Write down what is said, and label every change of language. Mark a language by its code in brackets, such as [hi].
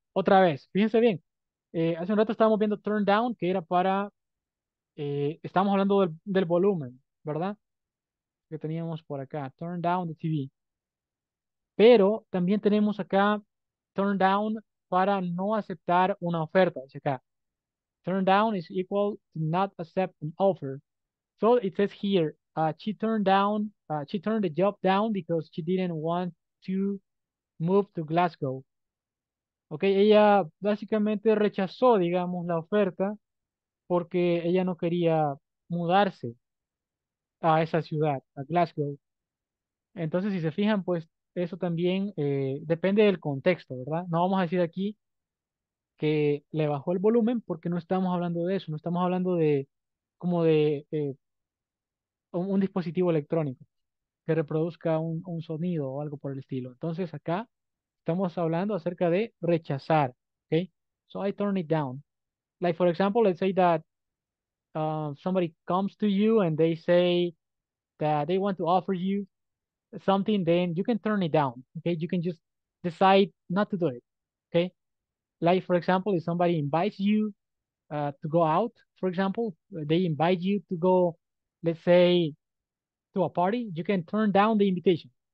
[es] Otra vez, fíjense bien. Hace un rato estábamos viendo turn down, que era para, estábamos hablando del volumen, ¿verdad? Que teníamos por acá, [en] turn down the TV. [es] Pero también tenemos acá turn down para no aceptar una oferta, dice acá. [en] Turn down is equal to not accept an offer. So it says here, she turned the job down because she didn't want to move to Glasgow. [es] Okay, ella básicamente rechazó, digamos, la oferta porque ella no quería mudarse a esa ciudad, a Glasgow. Entonces, si se fijan, pues eso también depende del contexto, ¿verdad? No vamos a decir aquí que le bajó el volumen porque no estamos hablando de eso, no estamos hablando de como de un dispositivo electrónico. que reproduzca un sonido o algo por el estilo. Entonces acá estamos hablando acerca de rechazar, okay? [en] So I turn it down. Like for example, let's say that somebody comes to you and they say that they want to offer you something, then you can turn it down, okay? You can just decide not to do it, okay? Like for example, if somebody invites you to go out, for example, they invite you to go, let's say, to a party, you can turn down the invitation.